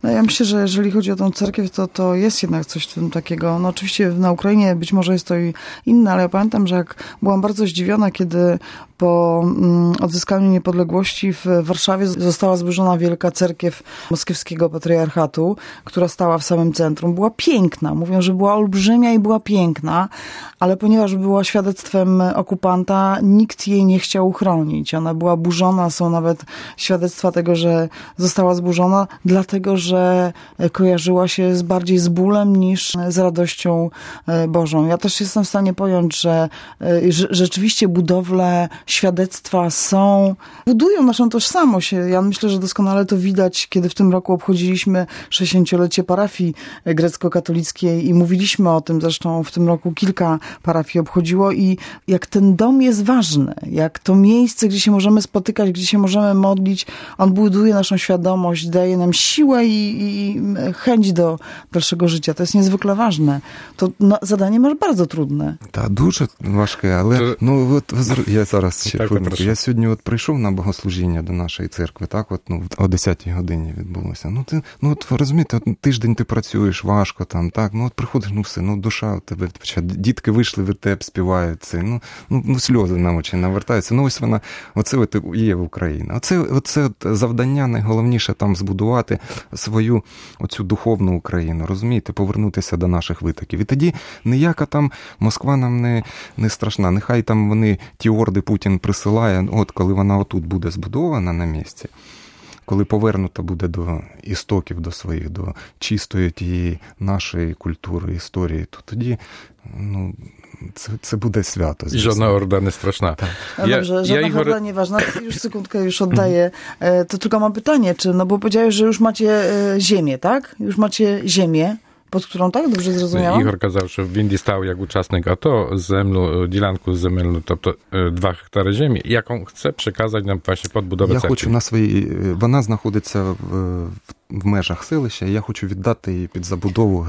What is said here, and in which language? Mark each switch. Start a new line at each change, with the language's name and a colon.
Ukrainian: Ну, я мислю, що, якщо ході о тому церкві, то є єднак щось там такого. Ну, очевидно, на Україні, бить може, є то і інне, але я пам'ятаю, що як була дуже здивована, коли по
Polish: odzyskaniu niepodległości w Warszawie została zburzona wielka cerkiew moskiewskiego patriarchatu, która stała w samym centrum. Była piękna, mówią, że była olbrzymia i była piękna, ale ponieważ była świadectwem okupanta, nikt jej nie chciał chronić. Ona była burzona, są nawet świadectwa tego, że została zburzona, dlatego, że kojarzyła się bardziej z bólem niż z radością Bożą. Ja też jestem w stanie pojąć, że rzeczywiście budowle świadectwa budują naszą tożsamość. Ja myślę, że doskonale to widać, kiedy w tym roku obchodziliśmy 60-lecie parafii grecko-katolickiej i mówiliśmy o tym, zresztą w tym roku kilka parafii obchodziło i jak ten dom jest ważny, jak to miejsce, gdzie się możemy spotykać, gdzie się możemy modlić, on buduje naszą świadomość, daje nam siłę i chęć do dalszego życia. To jest niezwykle ważne. To zadanie masz bardzo trudne. Tak, duże, ważkie, ale no, ja zaraz
Ukrainian: Ще хвилинку. Я сьогодні от прийшов на богослужіння до нашої церкви, так, от, ну, о 10-й годині відбулося. Ну, ти, ну, от, розумієте, от, тиждень ти працюєш, важко там, так, ну, от приходиш, ну, все, ну, душа у тебе, дітки вийшли від тебе, співають це, ну, ну, сльози на очі навертаються. Ну, ось вона, оце от є в Україні. Оце, оце от завдання найголовніше там збудувати свою оцю духовну Україну, розумієте, повернутися до наших витоків. І тоді ніяка там Москва нам не страшна. Нехай там вони, ті орди Путін присилає, от коли вона отут буде збудована на місці, коли повернута буде до істоків, до своїх, до чистої тієї нашої культури, історії, то тоді, ну, це буде свято. І жодна орда не страшна. Жодна орда не важна.
Polish: Już sekundkę, już oddaję. To tylko mam pytanie, czy, no bo powiedziałeś, że już macie ziemię, tak? Już macie ziemię. Pod którą, tak? Dobrze zrozumiałam?
Ukrainian: Ігор казав, що він дістав як учасник АТО землю, ділянку земельну, тобто 2 гектари землі, яку хоче переказати нам ваші підбудови церкви. Я хочу на своїй... Вона знаходиться в межах селища, я хочу віддати її під забудову.